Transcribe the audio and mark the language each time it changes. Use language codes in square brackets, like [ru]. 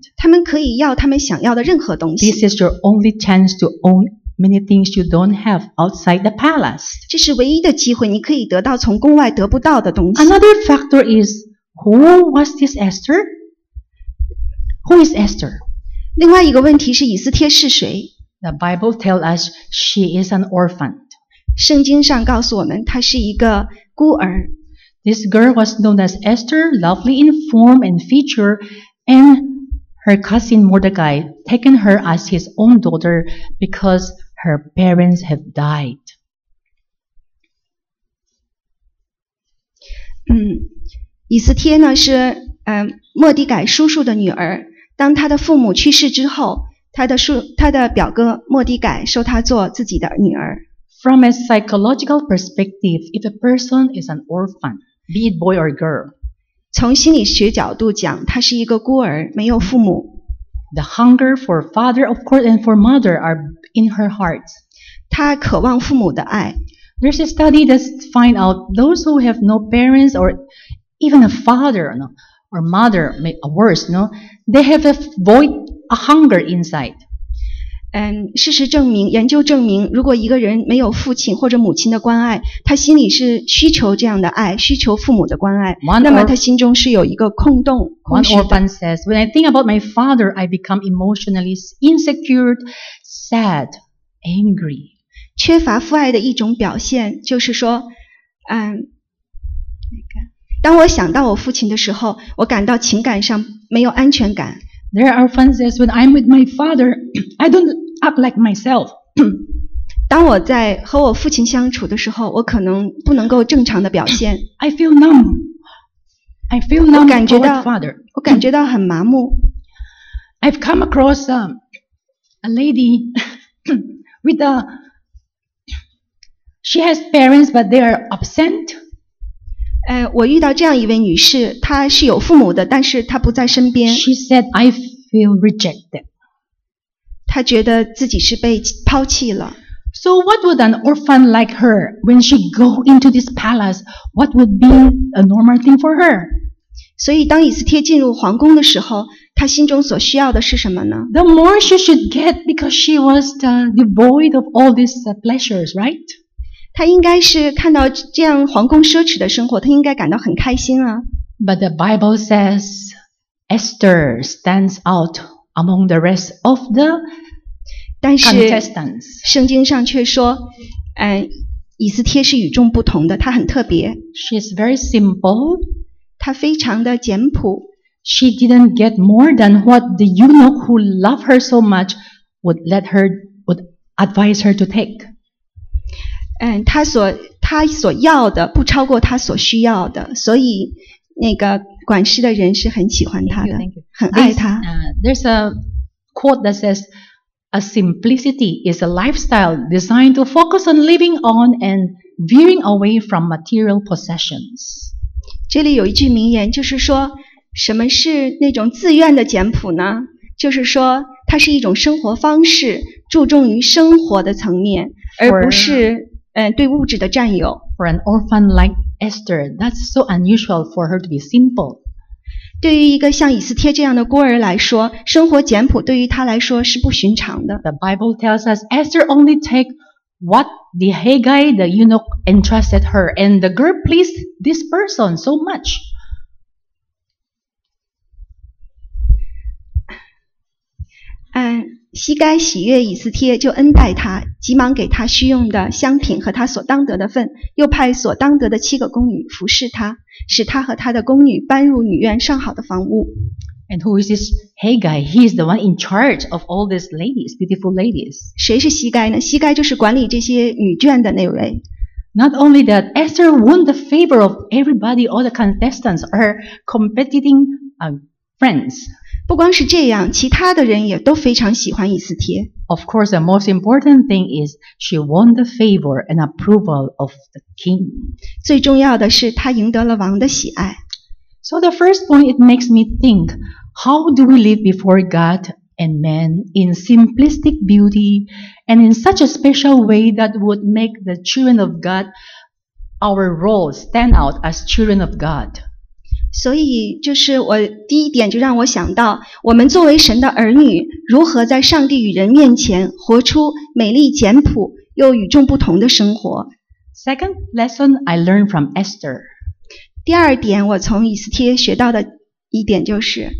[zh] 他们可以要他们想要的任何东西。 [en] This is your only chance to own. Many things you don't have outside the palace. [zh] 这是唯一的机会，你可以得到从宫外得不到的东西。 [en] Another factor is Who was this Esther? Who is Esther? [zh] 另外一个问题是以斯帖是谁？ [en] The Bible tells us she is an orphan. [zh] 圣经上告诉我们她是一个孤儿。 [en] This girl was known as Esther, lovely in form and feature, and her cousin Mordecai taken her as his own daughter because her parents had died. [zh] 以斯帖呢是莫迪改叔叔的女儿。当她的父母去世之后，她的表哥莫迪改收她做自己的女儿。 [en] From a psychological perspective, if a person is an orphan, be it boy or girl, [zh] 从心理学角度讲，她是一个孤儿，没有父母。 [en] The hunger for father, of course, and for mother are in her heart. [zh] 她渴望父母的爱。 [en] There's a study that finds out those who have no parents or even a father, no, or mother, worse, no, they have a void, a hunger inside. [zh] 事实证明，研究证明，如果一个人没有父亲或者母亲的关爱，他心里是需求这样的爱，需求父母的关爱。那么他心中是有一个空洞。 [en] One orphan says, "When I think about my father, I become emotionally insecure, sad, angry." [zh] 缺乏父爱的一种表现就是说，当我想到我父亲的时候，我感到情感上没有安全感。 [en] There are orphans says, "When I'm with my father, I don't act like myself." [zh] 当我在和我父亲相处的时候，我可能不能够正常的表现。 [en] I feel numb. I feel numb. [zh] 我感觉到很麻木。 [en] I've come across a lady with a. She has parents, but they are absent. [zh] 我遇到这样一位女士，她是有父母的，但是她不在身边。 [en] She said, "I feel rejected." [zh] 她觉得自己是被抛弃了。 [en] So what would an orphan like her, when she go into this palace, what would be a normal thing for her? [zh] 所以当以斯帖进入皇宫的时候，她心中所需要的是什么呢？ [en] The more she should get because she was devoid of all these pleasures, right? [zh] 他应该是看到这样皇宫奢侈的生活，他应该感到很开心啊。 [en] But the Bible says Esther stands out among the rest of the contestants. [zh] 但是圣经上却说，以斯帖是与众不同的，她很特别。 [en] She is very simple. [zh] 她非常的简朴。 [en] She didn't get more than what the eunuch who loved her so much would advise her to take. [zh] 他所要的不超过他所需要的，所以那个管事的人是很喜欢他的，很爱他。 [en] There's a quote that says, "A simplicity is a lifestyle designed to focus on living on and veering away from material possessions." [zh] 这里有一句名言，就是说什么是那种自愿的简朴呢？就是说它是一种生活方式，注重于生活的层面，而不是。对物质的占有。 [en] For an orphan like Esther, that's so unusual for her to be simple. [zh] 对于一个像以斯帖这样的孤儿来说，生活简朴对于她来说是不寻常的。 [en] The Bible tells us Esther only take what the Haggai, the eunuch, entrusted her, and the girl pleased this person so much. [zh] 膝盖喜悦以斯帖，就恩待他，急忙给他需用的香品和他所当得的份，又派所当得的七个宫女服侍他，使他和他的宫女搬入女院上好的房屋。 [en] And who is this Haggai? He is the one in charge of all these ladies, beautiful ladies. [zh] 谁是膝盖呢？膝盖就是管理这些女眷的那位。 [en] Not only that, Esther won the favor of everybody, all the contestants, her competing friends. [zh] 不光是这样，其他的人也都非常喜欢以斯帖。 [en] Of course, the most important thing is she won the favor and approval of the king. [zh] 最重要的是她赢得了王的喜爱。 [en] So the first point, it makes me think, how do we live before God and man in simplistic beauty and in such a special way that would make the children of God, our role, stand out as children of God? [zh] 所以就是我第一点就让我想到我们作为神的儿女如何在上帝与人面前活出美丽简朴又与众不同的生活。 [en] Second lesson I learned from Esther. [zh] 第二点我从以斯帖学到的一点就是